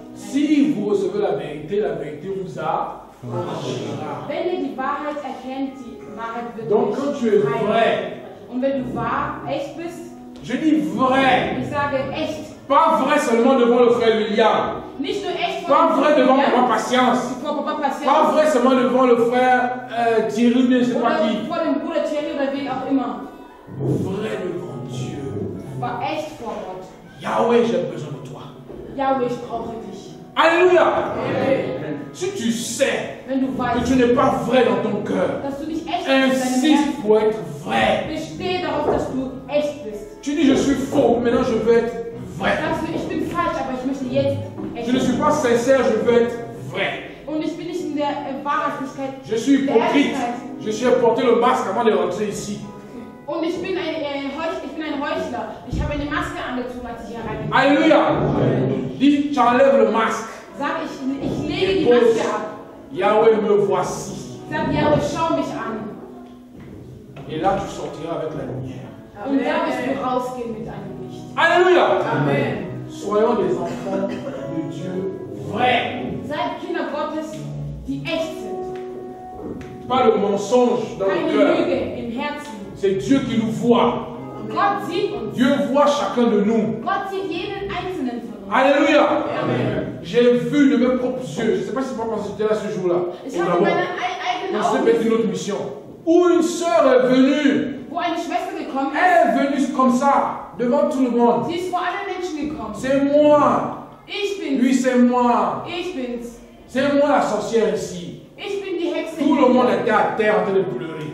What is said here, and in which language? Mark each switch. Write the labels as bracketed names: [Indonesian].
[French] Si vous recevez la vérité vous enrichira. [German] Wenn ihr die Wahrheit erkennt, die Wahrheit wird [French] donc quand tu es vrai, vrai, [German] und wenn du wahr, echt bist, [French] je dis vrai. [German] Ich sage echt. [French] Pas vrai seulement devant le frère William. [German] Nicht nur echt, [French] pas vrai devant papa Patience. Pas vrai seulement devant le frère Thierry, je ne sais pas qui. [German] Vor dem Bruder Thierry oder wie auch immer. [French] Vrai devant Dieu. [German] War echt vor Gott. [French] Yahweh, j'ai besoin de toi. [German] Yahweh, je brauche dich. Alléluia. Amen. [French] Si tu sais [German] wenn du weißt, [French] que tu n'es pas vrai dans ton cœur, insiste pour être vrai. [German] Bestehe darauf, dass du echt bist. [French] Tu dis, je suis faux, maintenant je veux être vrai. [German] Ich bin falsch, aber ich möchte jetzt [French] je ne suis pas sincère, je veux être vrai. [German] Und ich bin nicht in der Wahrhaftigkeit. [French] Je suis hypocrite. Je suis porté le masque avant de rentrer ici. [German] Und ich bin ein Heuchler. Ich habe eine Maske angezogen, als ich hier rein bin. [French] Alléluia. Dis, j'enlève le masque. [German] Sag, ich lege die Maske ab. [French] Yahweh, me voici. [German] Sag, Yahweh, schau mich an. [French] Et là, tu sortiras avec la lumière. [German] Und da wirst du rausgehen mit einem Licht. Alléluia. Amen. [French] Soyons des enfants de Dieu vrais. [German] Seid Kinder Gottes, die echt sind. [French] Pas le mensonge dans [German] keine [French] le cœur. [German] Lüge im Herzen. [French] C'est Dieu qui nous voit. [German] Gott sieht uns. [French] Dieu voit chacun de nous. [German] Gott sieht jeden einzelnen von uns. Alléluia. Amen. [French] J'ai vu de mes propres yeux. Je ne sais pas si c'est pas parce que tu es là ce jour-là. [German] Ich habe meine eigenen Augen. [French] C'est une autre mission. Où une sœur est venue. [German] Wo eine Schwester gekommen ist. [French] Elle est venue comme ça. Devant tout le monde. [German] Sie ist vor allen Menschen gekommen. [French] C'est moi. [German] Ich bin's. [French] Lui, c'est moi. [German] Ich bin's. [French] C'est moi la sorcière ici. [German] Ich bin die Hexe. [French] Tout le monde était à terre en train de pleurer.